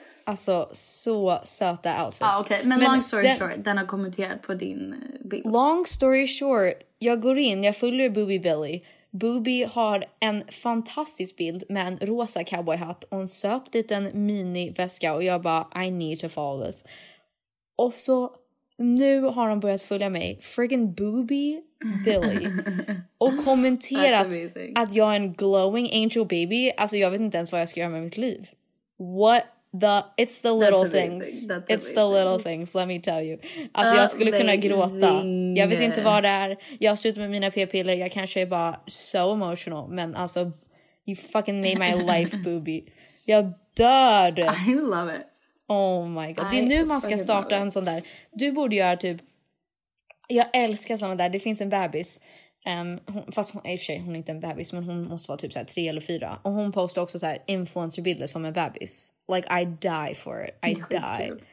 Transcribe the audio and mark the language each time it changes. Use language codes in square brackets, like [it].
[sv] Alltså, så söta outfits. Ah, okay. Men [en] long story short, [sv] den har kommenterat på din bild. [en] Long story short, [sv] jag går in, jag följer Booby Billy. Booby har en fantastisk bild med en rosa cowboyhatt och en söt liten miniväska. Och jag bara, [en] I need to follow this. [sv] Och så, nu har de börjat följa mig. Friggin' Booby Billy. Och kommenterat att jag är en [en] glowing angel baby. [sv] Alltså, jag vet inte ens vad jag ska göra med mitt liv. [en] What? It's the little things. It's the little things, let me tell you. [sv] Alltså jag skulle kunna gråta. Jag vet inte vad det är. Jag har slutat med mina p-piller. Jag kanske är bara [en] so emotional. [sv] Men alltså, [en] you fucking made my life, Booby. [sv] Jag dör. [en] I love it. Oh my god. [sv] Det är nu man ska starta en sån där. Du borde göra typ... Jag älskar såna där. Det finns en bebis. Hon är inte en bebis, men hon måste vara typ så här 3 eller 4. Och hon postar också så här influencerbilder som en bebis. [en] Like, I die for it. I die.